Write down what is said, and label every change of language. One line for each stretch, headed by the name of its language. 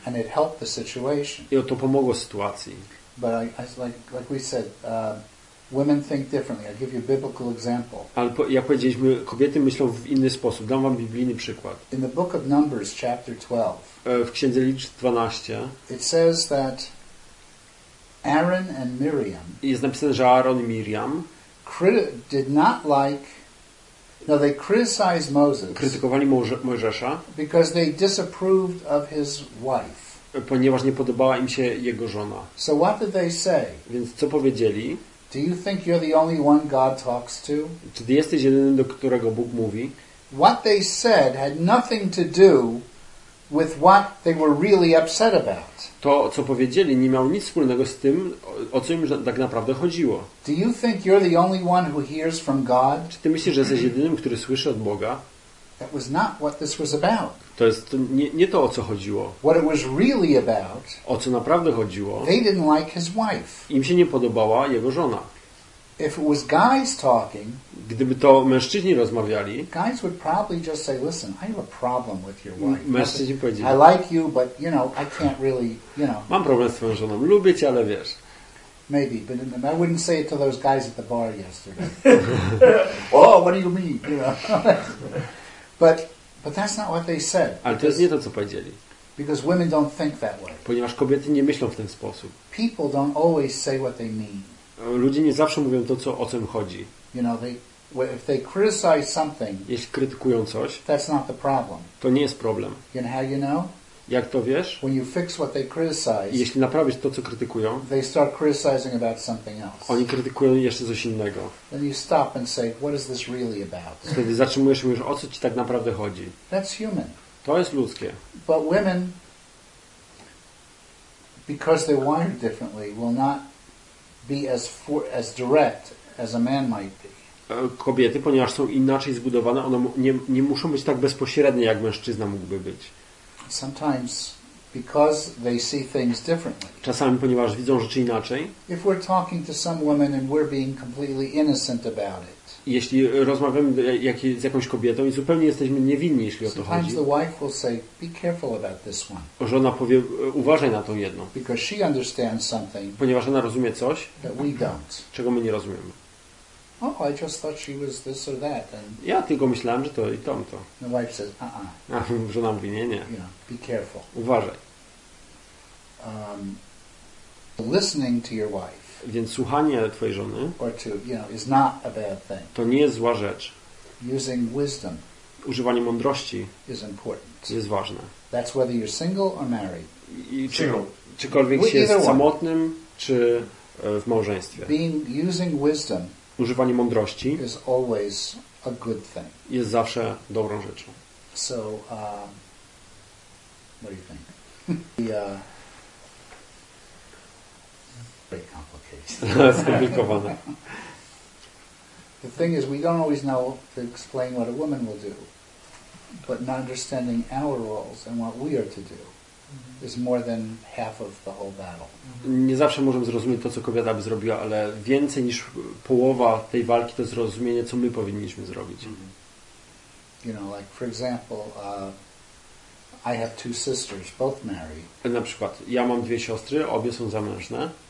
English: And it helped the situation.
Polish: I to pomogło sytuacji.
English: But I like we said, women think differently. I'll give you a biblical example.
Polish: Ale jak powiedzieliśmy, kobiety myślą w inny sposób. Dam wam biblijny przykład.
English: In the book of Numbers, chapter 12.
Polish: W Księdze Liczb 12.
English: It says that Aaron and Miriam.
Polish: Jest napisane, że Aaron i Miriam
English: did not like. No, they criticized Moses.
Polish: Krytykowali Mojżesza.
English: Because they disapproved of his wife.
Polish: Ponieważ nie podobała im się jego żona.
English: So what did they say?
Polish: Więc co powiedzieli?
English: Do you think you're the only one God talks to?
Polish: Czy ty jesteś jedynym, do którego Bóg mówi?
English: What they said had nothing to do with what they were really upset about.
Polish: To, co powiedzieli, nie miało nic wspólnego z tym, o co im tak naprawdę chodziło.
English: Do you think you're the only one who hears from God?
Polish: Czy ty myślisz, że jesteś jedynym, który słyszy od Boga?
English: That was not what this was about.
Polish: To jest nie to, o co chodziło.
English: What it was really about,
Polish: o co naprawdę chodziło,
English: they didn't like his wife.
Polish: Im się nie podobała jego żona.
English: If it was guys talking,
Polish: gdyby to mężczyźni rozmawiali,
English: guys would probably just say, listen, I have a problem with your wife.
Polish: Mężczyźni powiedzieli,
English: I like you, but you know, I can't really, you know.
Polish: Mam problem z twoją żoną. Lubię cię, ale wiesz.
English: Maybe, but I wouldn't say it to those guys at the bar yesterday. Oh, what do you mean? You know. But that's not what they said.
Polish: Ale to jest nie to, co powiedzieli.
English: Because women don't think that way.
Polish: Ponieważ kobiety nie myślą w ten sposób.
English: People don't always say what they mean.
Polish: Ludzie nie zawsze mówią to, o co im chodzi.
English: You know, if they criticize something,
Polish: jeśli krytykują coś,
English: that's not the problem.
Polish: To nie jest problem.
English: You know how you know?
Polish: Jak to wiesz?
English: When you fix what they criticize,
Polish: jeśli naprawisz to, co krytykują,
English: they start criticizing about something else.
Polish: Oni krytykują jeszcze coś innego.
English: Then you stop and say, what is this really about?
Polish: Wtedy zatrzymujesz się i mówisz, o co ci tak naprawdę chodzi.
English: That's human.
Polish: To jest ludzkie.
English: But women, because they're wired differently, will not be as direct as a man might be.
Polish: Kobiety, ponieważ są inaczej zbudowane, one nie muszą być tak bezpośrednie, jak mężczyzna mógłby być.
English: Sometimes because they see things differently.
Polish: Czasami, ponieważ widzą rzeczy inaczej.
English: If we're talking to some women and we're being completely innocent about it.
Polish: Jeśli rozmawiamy z jakąś kobietą i zupełnie jesteśmy niewinni, jeśli o to chodzi.
English: The wife will say, be careful about this one.
Polish: Żona powie, uważaj na tą jedną.
English: Because she understands something.
Polish: Ponieważ ona rozumie coś,
English: that we don't.
Polish: Czego my nie rozumiemy.
English: Oh, I just thought she was this or that. And
Polish: ja tylko myślałem, że to i tamto.
English: The wife says,
Polish: Żona mówi, nie.
English: You know, be careful.
Polish: Uważaj.
English: Listening to your wife.
Polish: Więc słuchanie twojej żony.
English: Or to, you know, is not a bad thing.
Polish: To nie jest zła rzecz.
English: Using wisdom.
Polish: Używanie mądrości.
English: Is important.
Polish: Jest ważne.
English: That's whether you're single or married.
Polish: Czykolwiek się jest samotnym, czy w małżeństwie.
English: Being using wisdom.
Polish: Używanie mądrości
English: is always a good thing.
Polish: Jest zawsze dobrą rzeczą.
English: So, what do you think? very complicated.
Polish: Skomplikowane.
English: The thing is, we don't always know to explain what a woman will do, but not understanding our roles and what we are to do. Is more than half of the whole battle.
Polish: Nie zawsze możemy zrozumieć to, co kobieta by zrobiła, ale więcej niż połowa tej walki to zrozumienie, co my powinniśmy zrobić.
English: You know, like for example, I have two sisters, both married.
Polish: Na przykład, ja mam dwie siostry, obie są zamężne.